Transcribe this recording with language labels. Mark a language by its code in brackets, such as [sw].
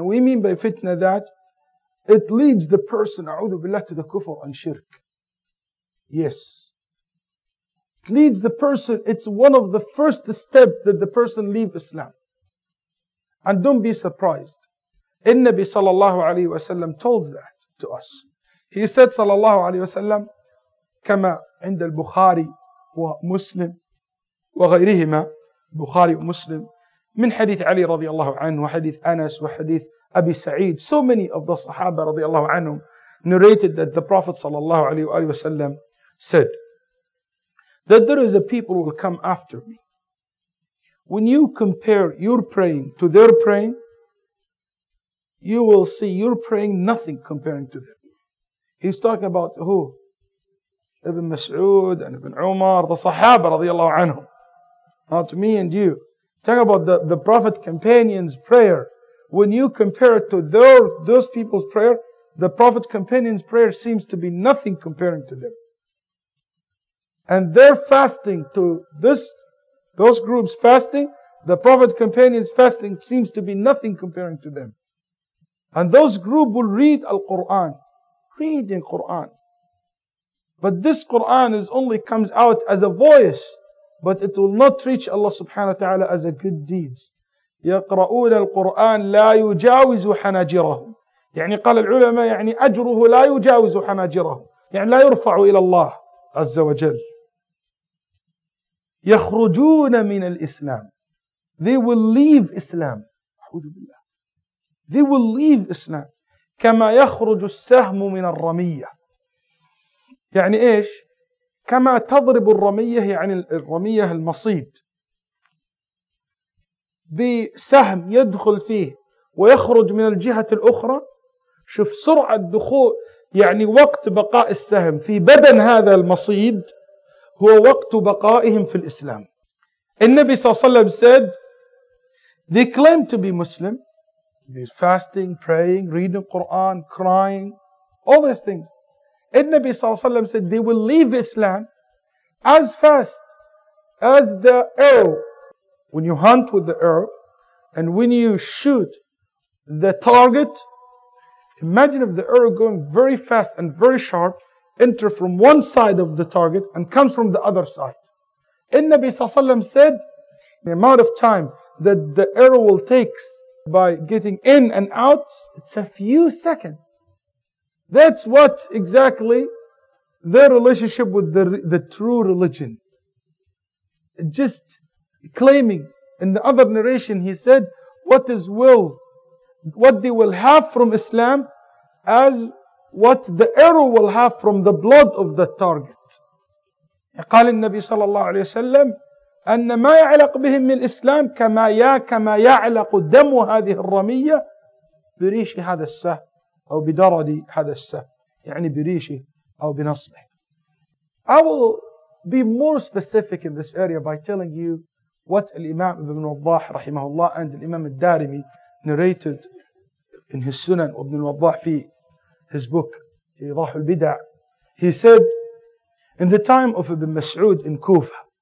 [en] And we mean by fitna that it leads the person, a'udhu billah, to the kufr and shirk. Yes. It leads the person, it's one of the first steps that the person leave Islam. And don't be surprised. Nabi sallallahu alayhi wa sallam told that to us. He said [ar] sallallahu alayhi wa sallam, كما عند البخاري ومسلم وغيرهما بخاري ومسلم من حديث علي رضي الله عنه وحديث أنس وحديث أبي سعيد. [en] So many of the صحابة [ar] رضي الله عنهم [en] narrated that the Prophet sallallahu alayhi wa sallam said, that there is a people who will come after me. When you compare your praying to their praying, you will see your praying nothing comparing to them. He's talking about who? Ibn Mas'ud and Ibn Umar, the Sahaba radiallahu anhum. Not me and you. Talk about the Prophet companion's prayer. When you compare it to those people's prayer, the Prophet companion's prayer seems to be nothing comparing to them. And their fasting to this, those groups fasting, the Prophet companion's fasting seems to be nothing comparing to them. And those group will read Al-Quran. Reading Quran. But this Quran is only comes out as a voice, but it will not reach Allah subhanahu wa ta'ala as a good deed. [ar] يقرؤون القرآن لا يجاوز حناجرهم. يعني قال العلماء يعني أجره لا يجاوز حناجرهم. يعني لا يرفع إلى الله عز وجل. يخرجون من الإسلام. [en] They will leave Islam. [ar] أعوذ بالله. [en] They will leave Islam. [ar] كما يخرج السهم من الرمية. يعني إيش؟ كما تضرب الرمية يعني الرمية المصيد. بسهم يدخل فيه ويخرج من الجهة الأخرى. شوف سرعة دخول يعني وقت بقاء السهم في بدن هذا المصيد هو وقت بقائهم في الإسلام. النبي صلى الله عليه وسلم [en] said, they claim to be Muslim. They're fasting, praying, reading Quran, crying, all these things. Nabi صلى الله عليه وسلم said, they will leave Islam as fast as the arrow. When you hunt with the arrow and when you shoot the target, imagine if the arrow going very fast and very sharp, enter from one side of the target and comes from the other side. Nabi صلى الله عليه وسلم said, the amount of time that the arrow will take by getting in and out, it's a few seconds. That's what exactly their relationship with the true religion. Just claiming, in the other narration he said, what they will have from Islam as what the arrow will have from the blood of the target. [ar] قال النبي صلى الله عليه وسلم أن ما يعلق بهم من الإسلام كما يعلق دم هذه الرمية بريش هذا السهم أو بدرد هذا السهم يعني بريش أو بنصله. [en] I will be more specific in this area by telling you what Imam Ibn Waddah رحمه الله and Imam Ad-Darimi narrated in his Sunan Ibn Waddah في his book إيضاح البدع. He said in the time of Ibn Mas'ud in Kufa.